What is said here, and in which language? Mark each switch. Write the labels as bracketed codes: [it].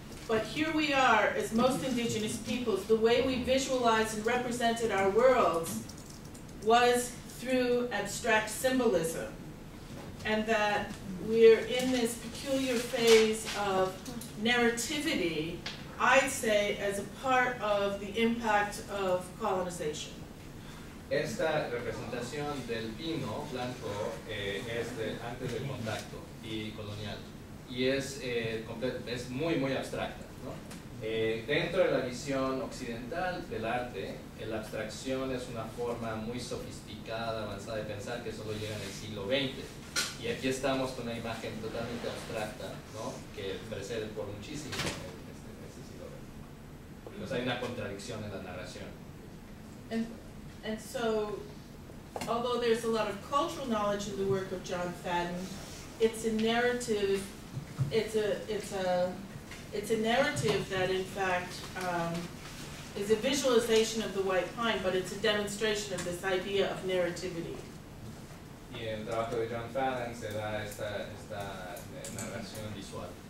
[en] But here we are, as most indigenous peoples, the way we visualized and represented our worlds was through abstract symbolism. And that we're in this peculiar phase of narrativity, I'd say, as a part of the impact of colonization. [es] Esta representación del vino blanco es de antes del contacto y colonial. Y es muy, muy abstracta, ¿no? Dentro de la visión occidental del arte, la abstracción es una forma muy sofisticada, avanzada de pensar que solo llega en el siglo XX. Y aquí estamos con una imagen totalmente abstracta, ¿no? Que precede por muchísimo en este siglo XX. Entonces hay una contradicción en la narración. [en] And so, although there's a lot of cultural knowledge in the work of John Fadden, it's a narrative that in fact is a visualization of the white pine, but it's a demonstration of this idea of narrativity. [es] Y en el trabajo de John Fadden se da esta narración visual.